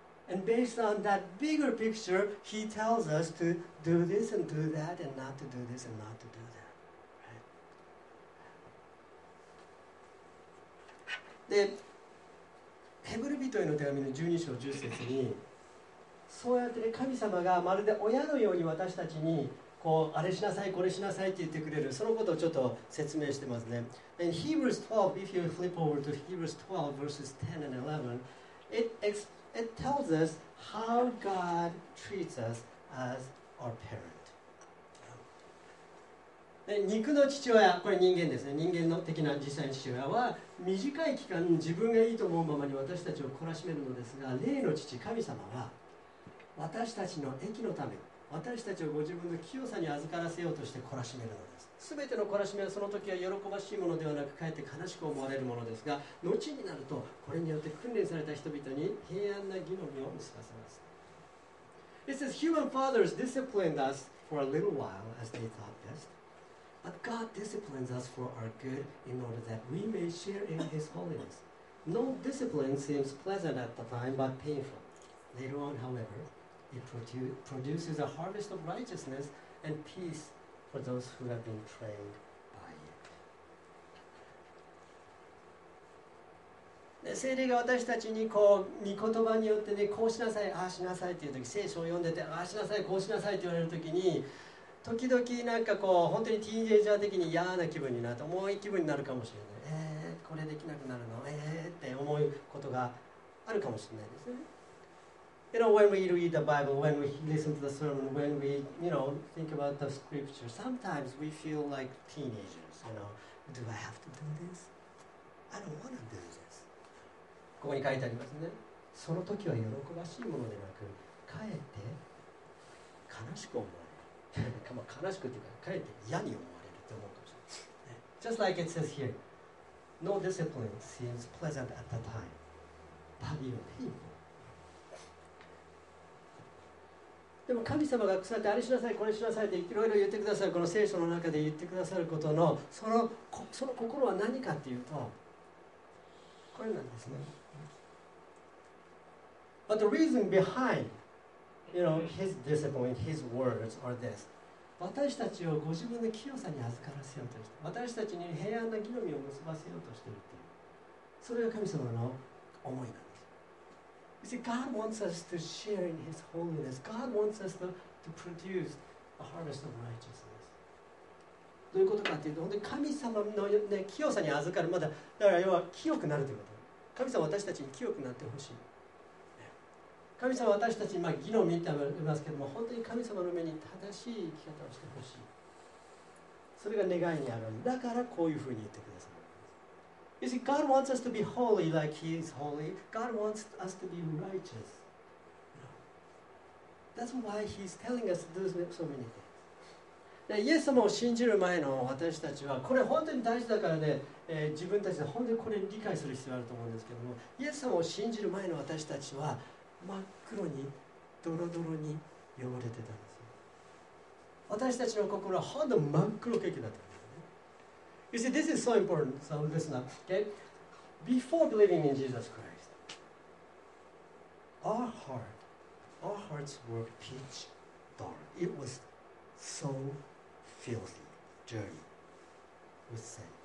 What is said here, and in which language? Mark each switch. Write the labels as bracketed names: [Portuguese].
[English] And based on that bigger picture, He tells us to do this and do that and not to do this and not to do that、right? [Japanese] でヘブル人への手紙の12章10節にそうやって、ね、神様がまるで親のように私たちにこうあれしなさいこれしなさいって言ってくれるそのことをちょっと説明してますね。 [English] In Hebrews 12, if you flip over to Hebrews 12 verses 10 and 11 it tells us how God treats us as our parent. [Japanese] 肉の父親、これ人間ですね、人間の的な実際の父親は短い期間自分がいいと思うままに私たちを懲らしめるのですが、霊の父神様は私たちの益のため、私たちをご自分の清さに預からせようとして懲らしめるのです。すべての懲らしめはその時は喜ばしいものではなく、かえって悲しく思われるものですが、後になるとこれによって訓練された人々に平安な義の実を結ばせます。 [English] It says, human fathers disciplined us for a little while as they thought best. But God disciplines us for our good in order that we may share in His holiness. No discipline seems pleasant at the time, but painful. Later on, however, it produces a harvest of righteousness and peace for those who have been trained by it. [Japanese] 聖霊が私たちにこう御言葉によってね、こうしなさい、ああしなさいっていうとき、聖書を読んでて、ああしなさい、こうしなさいって言われるときに、時々なんかこう本当にティーンエイジャー的に嫌な気分になって重い気分になるかもしれない。これできなくなるの、って思うことがあるかもしれないですね。 [English] You know, when we read the Bible, when we listen to the sermon, when we, you know, think about the scripture, sometimes we feel like teenagers, you know. Do I have to do this? I don't want to do this. [Japanese] ここに書いてありますね。その時は喜ばしいものでなく、かえって悲しく思う。悲しくというか、かえって嫌に思われると思うかもしれない。 [English] Just like it says here, no discipline seems pleasant at the time, but even painful. [Japanese] でも神様がそうやってあれしなさい、これしなさいっていろいろ言ってくださる、この聖書の中で言ってくださることのその心は何かっていうと、これなんですね。 [English] But the reason behind,You know, his discipline, his words are this. [Japanese] 私たちをご自分の清さに預からせようとして、私たちに平安な義の実を結ばせようとしているっていう。それが神様の思いなんです。 [English] You see, God wants us to share in His holiness. God wants us to produce a harvest of righteousness. [Japanese] どういうことかというと、本当に神様の、ね、清さに預かる、まだだから要は清くなるということ。神様は私たちに清くなってほしい。神様は私たちに、まあ、義の身と言いますけども、本当に神様の目に正しい生き方をしてほしい。それが願いにあるんです。だからこういうふうに言ってください。 [English] You see, God wants us to be holy like He is holy. God wants us to be righteous. That's why He's telling us to do so many things. [Japanese] イエス様を信じる前の私たちはこれ本当に大事だからね、自分たちで本当にこれ理解する必要があると思うんですけども、イエス様を信じる前の私たちは真っ黒にドロドロに汚れてたんですよ。私たちの心は本当に真っ黒景気だったんですね。 [English] You see, this is so important. So listen up, okay? Before believing in Jesus Christ, our hearts were pitch dark. It was so filthy, dirty with sin.